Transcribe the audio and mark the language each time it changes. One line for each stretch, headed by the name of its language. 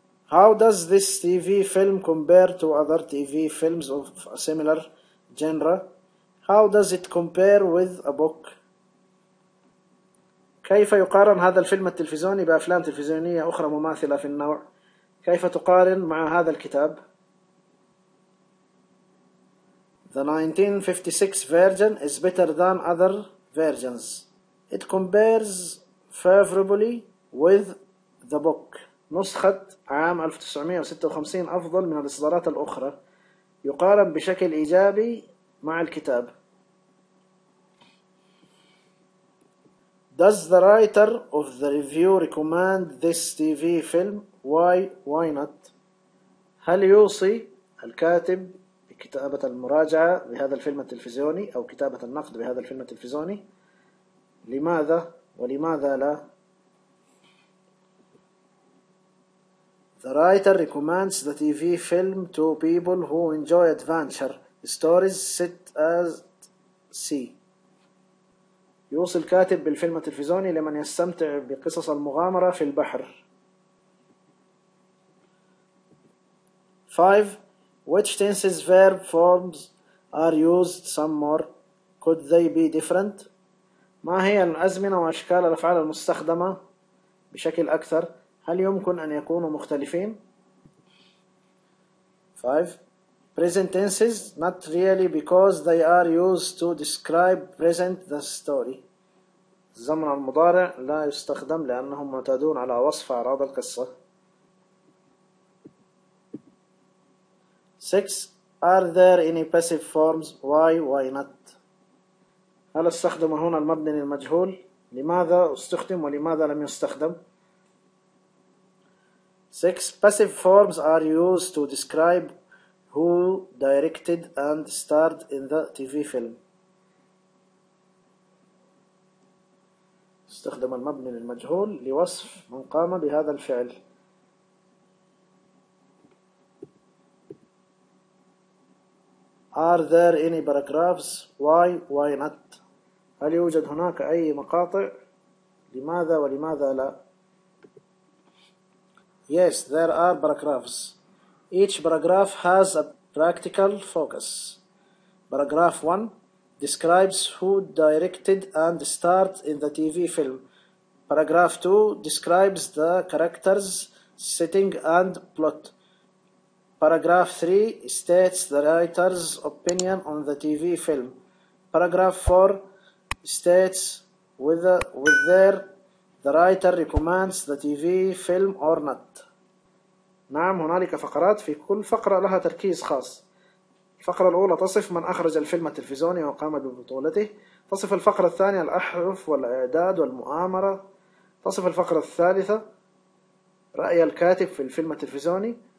English: How does this TV film compare to other TV films of a similar genre? How does it compare with a book?
Arabic: كيف يقارن هذا الفيلم التلفزيوني بأفلام تلفزيونية أخرى مماثلة في النوع؟ كيف تقارن مع هذا الكتاب؟
English: The 1956 version is better than other versions. It compares favorably with the book.
Arabic: نسخة عام 1956 أفضل من الإصدارات الأخرى. يقارن بشكل إيجابي مع الكتاب.
English: Does the writer of the review recommend this TV film? Why not?
Arabic: هل يوصي الكاتب بكتابة المراجعة بهذا الفيلم التلفزيوني أو كتابة النقد بهذا الفيلم التلفزيوني؟ لماذا ولماذا لا؟
English: The writer recommends the TV film to people who enjoy adventure stories set at sea.
Arabic: يوصي الكاتب بالفيلم التلفزيوني لمن يستمتع بقصص المغامرة في البحر.
English: 5. Which tenses verb forms are used some more? Could they be different?
Arabic: ما هي الأزمنة وأشكال الأفعال المستخدمة بشكل أكثر؟ هل يمكن أن يكونوا مختلفين؟ 5.
English: Present tenses not really because they are used to describe present the story.
Arabic: الزمن المضارع لا يستخدم لأنهم معتادون على وصف أعراض القصة.
English: 6. Are there any passive forms? Why not?
Arabic: هل استخدم هنا المبني للمجهول؟ لماذا استخدم ولماذا لم يستخدم؟ 6.
English: Passive forms are used to describe who directed and starred in the TV film.
Arabic: استخدم المبني للمجهول لوصف من قام بهذا الفعل.
English: Are there any paragraphs? Why not?
Arabic: هل يوجد هناك أي مقاطع؟ لماذا ولماذا لا؟
English: Yes, there are paragraphs. Each paragraph has a practical focus. Paragraph 1 describes who directed and starred in the TV film. Paragraph 2 describes the characters, setting and plot. Paragraph 3 states the writer's opinion on the TV film. Paragraph 4 states whether the writer recommends the TV film or not.
Arabic: نعم هنالك فقرات، في كل فقرة لها تركيز خاص. الفقرة الأولى تصف من أخرج الفيلم التلفزيوني وقام ببطولته. تصف الفقرة الثانية الأحرف والإعداد والمؤامرة. تصف الفقرة الثالثة رأي الكاتب في الفيلم التلفزيوني.